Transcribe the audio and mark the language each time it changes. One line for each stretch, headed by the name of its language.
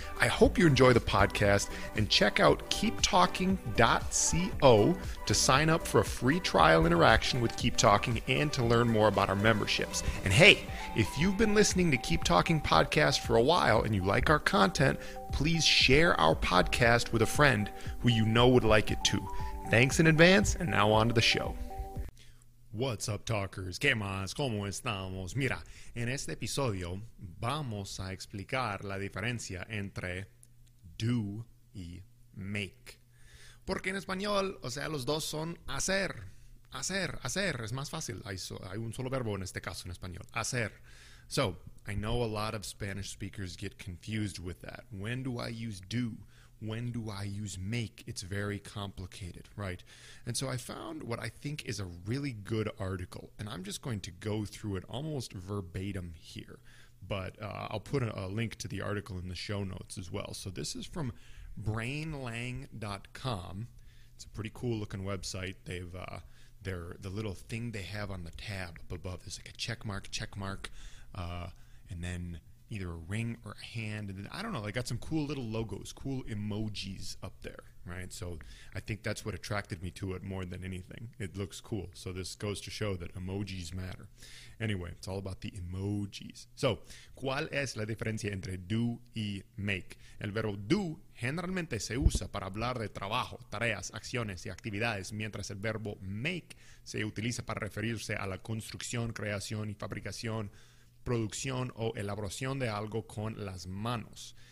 English: I hope you enjoy the podcast, and check out keeptalking.co to sign up for a free trial interaction with Keep Talking and to learn more about our memberships. And hey, if you've been listening to Keep Talking Podcast for a while and you like our content, please share our podcast with a friend who you know would like it too. Thanks in advance, and now on to the show. What's up, talkers?
Spanish: ¿Qué más? ¿Cómo estamos? Mira, en este episodio vamos a explicar la diferencia entre do y make. Porque en español, o sea, los dos son hacer. Hacer, hacer, es más fácil. Hay un solo verbo en este caso en español. Hacer.
English: So, I know a lot of Spanish speakers get confused with that. When do I use do? When do I use make? It's very complicated, right? And so I found what I think is a really good article, and I'm just going to go through it almost verbatim here. But I'll put a link to the article in the show notes as well. So this is from brainlang.com. It's a pretty cool looking website. They've the little thing they have on the tab up above is like a check mark, and then either a ring or a hand, and then, I don't know, they got some cool little logos, cool emojis up there, right? So I think that's what attracted me to it more than anything. It looks cool. So this goes to show that emojis matter. Anyway, it's all about the emojis.
Spanish: So, ¿cuál es la diferencia entre do y make? El verbo do generalmente se usa para hablar de trabajo, tareas, acciones y actividades, mientras el verbo make se utiliza para referirse a la construcción, creación y fabricación, producción o elaboración de algo con las manos.